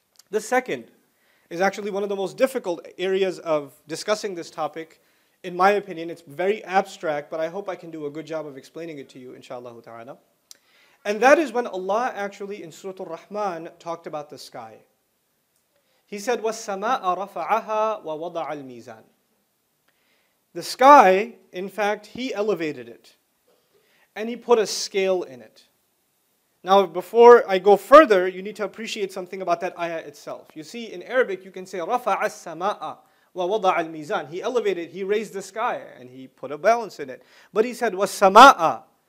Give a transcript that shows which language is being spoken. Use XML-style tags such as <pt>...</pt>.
<en>The second is actually one of the most difficult areas of discussing this topic. In my opinion, it's very abstract, but I hope I can do a good job of explaining it to you,</en> <ar>inshallah ta'ala.</ar> <en>And that is when Allah actually in Surah Ar-Rahman talked about the sky. He said,</en> <ar>وَالسَّمَاءَ رَفَعَهَا وَوَضَعَ الْمِيزَانِ.</ar> <en>The sky, in fact, He elevated it. And He put a scale in it. Now, before I go further, you need to appreciate something about that ayah itself. You see, in Arabic, you can say,</en> <ar>رَفَعَ السَّمَاءَ وَوَضَعَ الْمِيزَانِ.</ar> <en>He elevated, He raised the sky, and He put a balance in it. But He said,</en> <ar>وَالسَّمَاءَ</ar>